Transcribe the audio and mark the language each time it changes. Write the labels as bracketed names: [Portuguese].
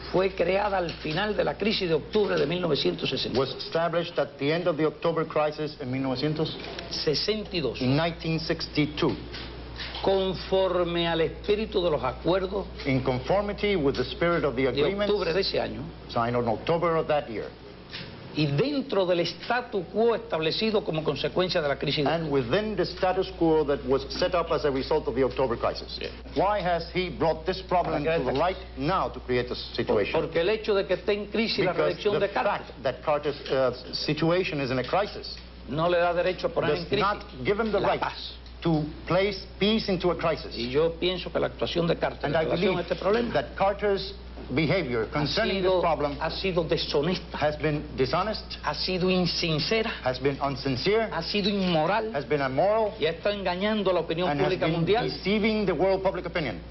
[Spanish] fue creada al final de la crisis de octubre de 1960. [English] Was established at the end of the October crisis in 1962. In 1962. [Spanish] Conforme al espíritu de los acuerdos. [English] In conformity with the spirit of the agreements. [Spanish] De octubre de ese año. [English] Signed on October of that year. [Spanish] Y dentro del statu quo establecido como consecuencia de la crisis. [English] And within the status quo that was set up as a result of the October crisis. Yeah. Why has he brought this problem to the light now to create this situation? [Spanish] Porque el hecho de que esté en crisis [English] because [Spanish] la reelección de Carter. [English] Because the fact that Carter's situation is in a crisis. [Spanish] No le da derecho a poner en crisis. [English] Does not give him the right to place peace into a crisis. [Spanish] Y yo pienso que la actuación de Carter en relación a este problema. [English] That Carter's behavior concerning the problem [Spanish] ha sido deshonesta, [English] has been dishonest, [Spanish] ha sido insincera, [English] has been insincere, [Spanish] ha sido immoral, [English] has been immoral, [Spanish] y está engañando a la opinión [English] and [Spanish] pública [English] has been [Spanish] mundial, [English] deceiving the world public opinion